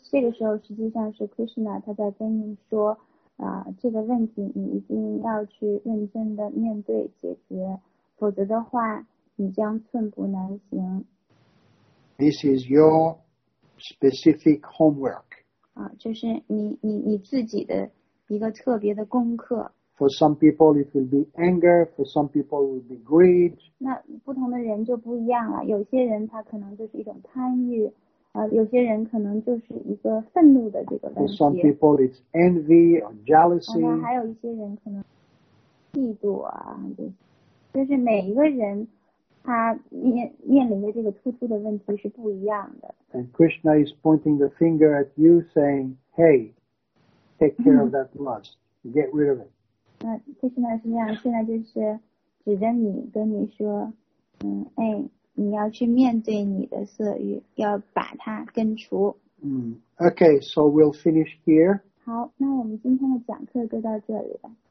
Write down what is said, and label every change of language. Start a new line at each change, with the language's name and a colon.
Chinese: 这个时候实际上是 Krishna 他在跟你说。这个问题你一定要去认真的面对解决，否则的话你将寸步难行。
English: This is your specific homework.
Chinese: 就是你自己的一个特别的功课。
English: For some people it will be anger, for some people it will be greed.
Chinese: 那不同的人就不一样了，有些人他可能就是一种贪欲，有些人可能就是一个愤怒的这个问题。
English: For some people it's envy or jealousy.
Chinese: 还有一些人可能嫉妒就是每一个人他面临的这个突出的问题是不一样的。
English: And Krishna is pointing the finger at you saying, hey, take care of that lust, get rid of it.
Chinese: 那 Krishna 是这样，现在就是指着你跟你说，你要去面对你的色欲，要把它根除。
English: Okay, so we'll finish here.
Chinese: 好，那我们今天的讲课就到这里了。